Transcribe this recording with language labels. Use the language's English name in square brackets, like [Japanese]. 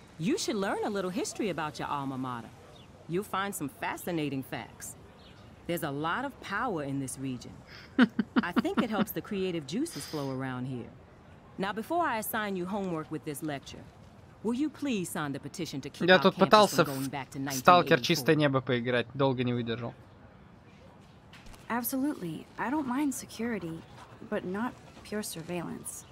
[English] You should learn a little history about your alma mater. You'll find some fascinating facts. There's a lot of power in this region. I think it helps the creative juices flow around here. Now, before I assign you homework with this lecture, will you please sign the petition to keep our campus from going back to 1984? [Russian] Я тут пытался в Сталкер Чистое Небо поиграть, долго не выдержал. [English] Absolutely. I don't mind security, but not pure surveillance.